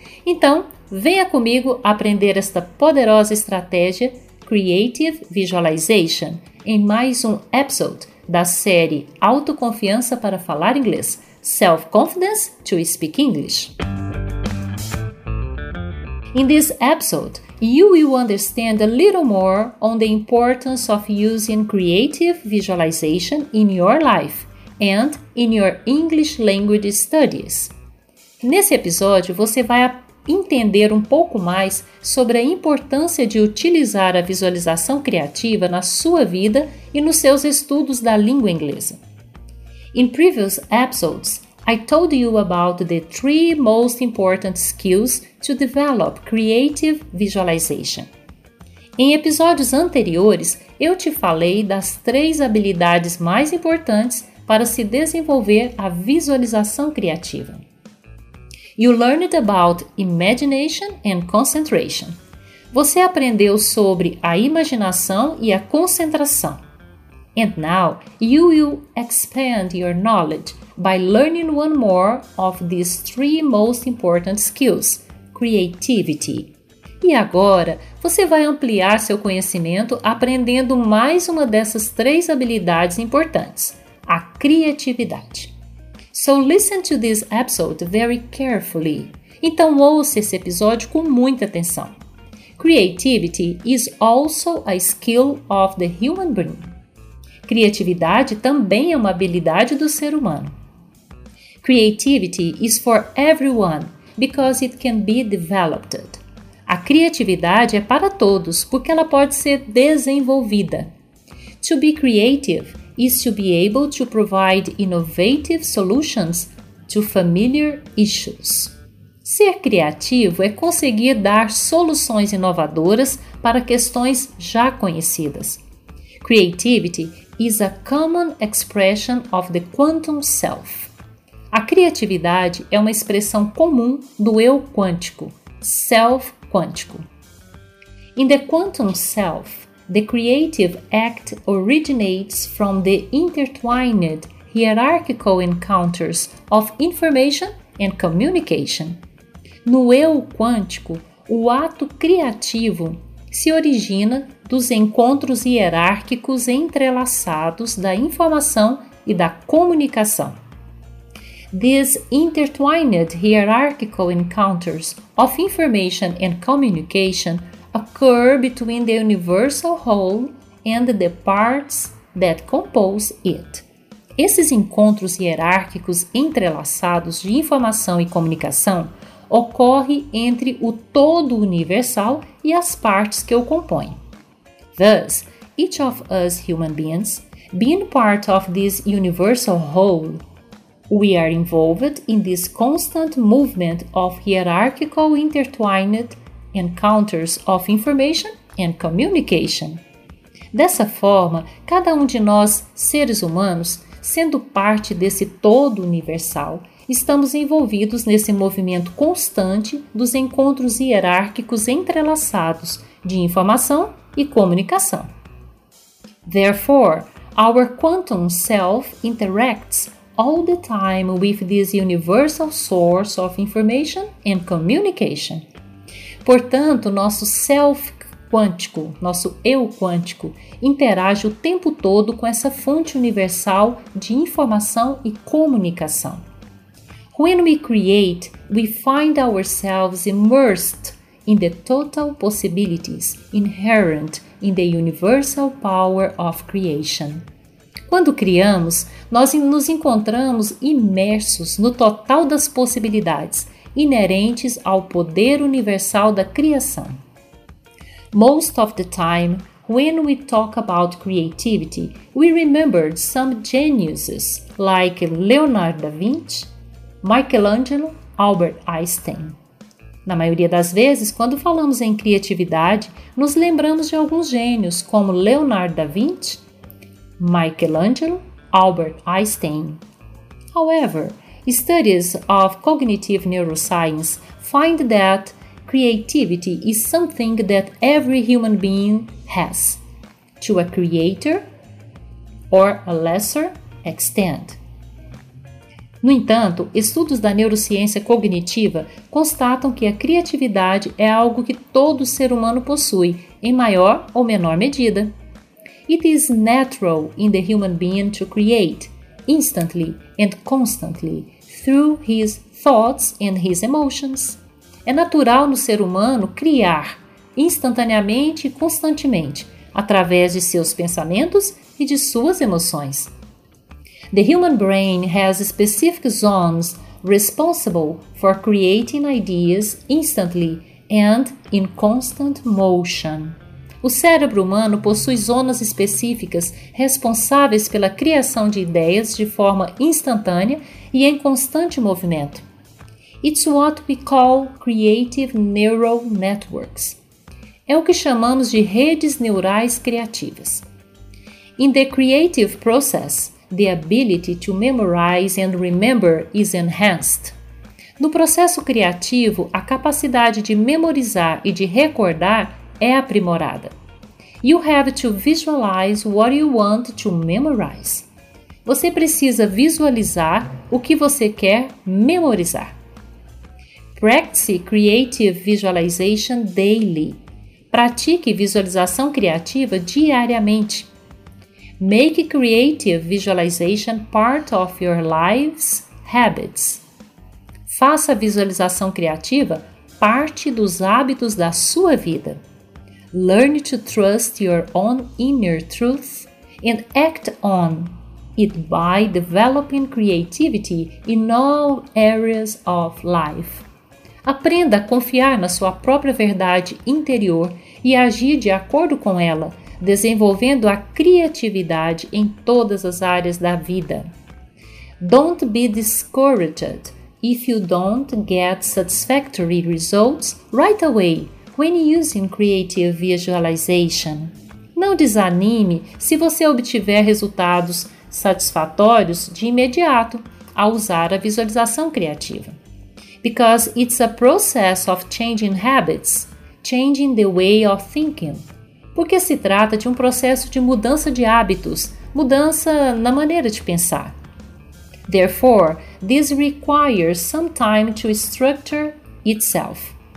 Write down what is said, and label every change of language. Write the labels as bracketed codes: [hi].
[pt] Então, venha comigo aprender esta poderosa estratégia [en] Creative Visualization [pt] em mais um episode da série Autoconfiança para Falar Inglês, [en] Self-Confidence to Speak English. In this episode, you will understand a little more on the importance of using creative visualization in your life and in your English language studies. [pt] Nesse episódio, você vai entender um pouco mais sobre a importância de utilizar a visualização criativa na sua vida e nos seus estudos da língua inglesa. [en] In previous episodes, I told you about the three most important skills to develop creative visualization. [pt] Em episódios anteriores, eu te falei das três habilidades mais importantes para se desenvolver a visualização criativa. [en] You learned about imagination and concentration. [pt] Você aprendeu sobre a imaginação e a concentração. [en] And now, you will expand your knowledge by learning one more of these three most important skills, creativity. [pt] E agora, você vai ampliar seu conhecimento aprendendo mais uma dessas três habilidades importantes, a criatividade. [en] So listen to this episode very carefully. [pt] Então ouça esse episódio com muita atenção. [en] Creativity is also a skill of the human brain. [pt] Criatividade também é uma habilidade do ser humano. [en] Creativity is for everyone because it can be developed. [pt] A criatividade é para todos porque ela pode ser desenvolvida. [en] To be creative is to be able to provide innovative solutions to familiar issues. [pt] Ser criativo é conseguir dar soluções inovadoras para questões já conhecidas. [en] Creativity is a common expression of the quantum self. [pt] A criatividade é uma expressão comum do eu quântico, self-quântico. [en] In the quantum self, the creative act originates from the intertwined hierarchical encounters of information and communication. [pt] No eu quântico, o ato criativo se origina dos encontros hierárquicos entrelaçados da informação e da comunicação. [en] These intertwined hierarchical encounters of information and communication occur between the universal whole and the parts that compose it. [pt] Esses encontros hierárquicos entrelaçados de informação e comunicação ocorrem entre o todo universal e as partes que o compõem. [en] Thus, each of us human beings, being part of this universal whole, we are involved in this constant movement of hierarchical intertwined encounters of information and communication. [pt] Dessa forma, cada um de nós, seres humanos, sendo parte desse todo universal, estamos envolvidos nesse movimento constante dos encontros hierárquicos entrelaçados de informação e comunicação. [en] Therefore, our quantum self interacts all the time with this universal source of information and communication. [pt] Portanto, nosso self quântico, nosso eu quântico, interage o tempo todo com essa fonte universal de informação e comunicação. [en] When we create, we find ourselves immersed in the total possibilities inherent in the universal power of creation. [pt] Quando criamos, nós nos encontramos imersos no total das possibilidades inerentes ao poder universal da criação. [en] Most of the time, when we talk about creativity, we remember some geniuses like Leonardo da Vinci, Michelangelo, Albert Einstein. [pt] Na maioria das vezes, quando falamos em criatividade, nos lembramos de alguns gênios como Leonardo da Vinci, Michelangelo, Albert Einstein. [en] However, studies of cognitive neuroscience find that creativity is something that every human being has, to a greater or a lesser extent. [pt] No entanto, estudos da neurociência cognitiva constatam que a criatividade é algo que todo ser humano possui, em maior ou menor medida. [en] It is natural in the human being to create, instantly and constantly, through his thoughts and his emotions. [pt] É natural no ser humano criar instantaneamente e constantemente, através de seus pensamentos e de suas emoções. [en] The human brain has specific zones responsible for creating ideas instantly and in constant motion. [pt] O cérebro humano possui zonas específicas responsáveis pela criação de ideias de forma instantânea e em constante movimento. [en] It's what we call creative neural networks. [pt] É o que chamamos de redes neurais criativas. [en] In the creative process, the ability to memorize and remember is enhanced. [pt] No processo criativo, a capacidade de memorizar e de recordar é aprimorada. [en] You have to visualize what you want to memorize. [pt] Você precisa visualizar o que você quer memorizar. [en] Practice creative visualization daily. [pt] Pratique visualização criativa diariamente. [en] Make creative visualization part of your life's habits. [pt] Faça visualização criativa parte dos hábitos da sua vida. [en] Learn to trust your own inner truth and act on it by developing creativity in all areas of life. [pt] Aprenda a confiar na sua própria verdade interior e agir de acordo com ela, desenvolvendo a criatividade em todas as áreas da vida. [en] Don't be discouraged if you don't get satisfactory results right away when using creative visualization. [pt] Não desanime se você obtiver resultados satisfatórios de imediato ao usar a visualização criativa. [en] Because it's a process of changing habits, changing the way of thinking. [pt] Porque se trata de um processo de mudança de hábitos, mudança na maneira de pensar. [en] Therefore, this requires some time to structure itself.